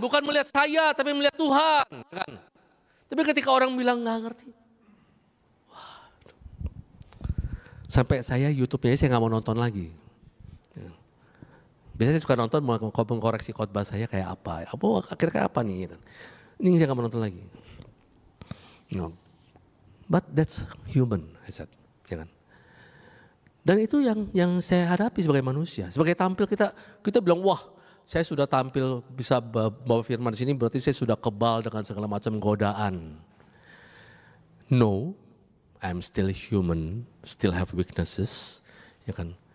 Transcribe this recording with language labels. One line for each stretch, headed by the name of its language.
Indonesian: Bukan melihat saya, tapi melihat Tuhan. Kan? Tapi ketika orang bilang nggak ngerti, wah, sampai saya YouTube-nya saya nggak mau nonton lagi. Biasanya suka nonton mau mengkoreksi khotbah saya kayak apa? Apa akhirnya apa nih? Ini saya nggak mau nonton lagi.
English: No. But that's human, I said, ya kan?
Indonesian: Dan itu yang saya hadapi sebagai manusia, sebagai tampil kita bilang wah, saya sudah tampil bisa bawa firman di sini berarti saya sudah kebal dengan segala macam godaan.
English: No, I'm still human, still have weaknesses, ya kan?